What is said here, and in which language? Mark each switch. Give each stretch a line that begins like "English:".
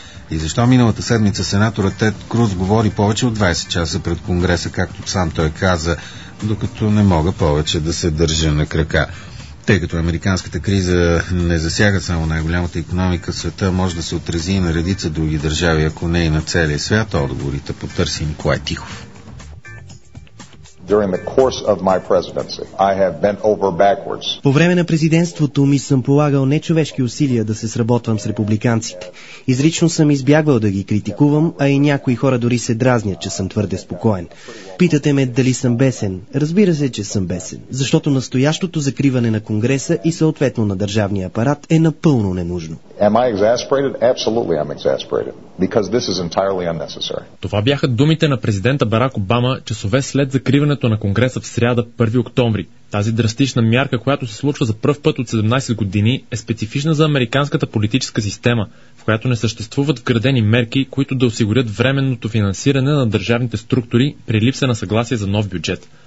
Bulgarian: И защо миналата седмица сенаторът Тед Круз говори повече от 20 часа пред Конгреса, както сам той каза, докато не мога повече да се държа на крака? Тъй като американската криза не засяга само най-голямата икономика в света, може да се отрази и на редица други държави, ако не и на целия свят. Отговорите потърси Николай Тихов.
English: During the course of my presidency, I have bent over backwards.
Bulgarian: По време на президентството ми съм полагал нечовешки усилия да се сработвам с републиканците. Изрично съм избягвал да ги критикувам, а и някои хора дори се дразнят, че съм твърде спокоен. Питате ме дали съм бесен. Разбира се, че съм бесен, защото настоящото закриване на Конгреса и съответно на държавния апарат е напълно ненужно.
English: Am I exasperated? Absolutely I'm exasperated. Because this is entirely unnecessary.
Bulgarian: Това бяха думите на президента Барак Обама часове след закриването на Конгреса в сряда 1 октомври. Тази драстична мярка, която се случва за пръв път от 17 години, е специфична за американската политическа система, в която не съществуват вградени мерки, които да осигурят временното финансиране на държавните структури при липса на съгласие за нов бюджет.